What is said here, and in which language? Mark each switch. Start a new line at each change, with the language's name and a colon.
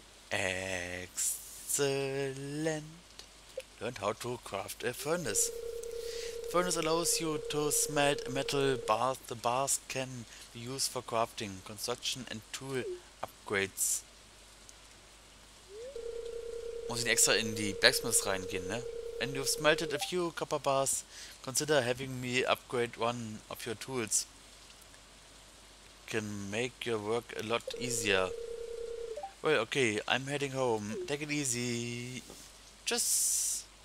English: Excellent. Learned how to craft a furnace. The furnace allows you to smelt a metal bar. The bars can be used for crafting, construction and tool upgrades.
German: Muss ich extra in die Blacksmith reingehen, ne?
English: When you've smelted a few copper bars, consider having me upgrade one of your tools. can make your work a lot easier. Well, okay, I'm heading home. Take it easy. Tschüss.